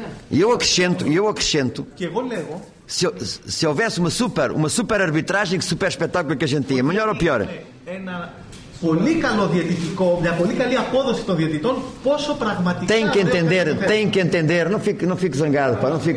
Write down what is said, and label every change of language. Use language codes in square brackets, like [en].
[pt] E eu acrescento. Se houvesse uma super arbitragem, que super espetáculo que a gente tinha, melhor ou pior? [el] Πολύ καλό διαιτητικό, μια πολύ καλή απόδοση των διαιτητών, πόσο πραγματικά. [pt] Tem que entender, tem que entender. Não fique zangado, pá.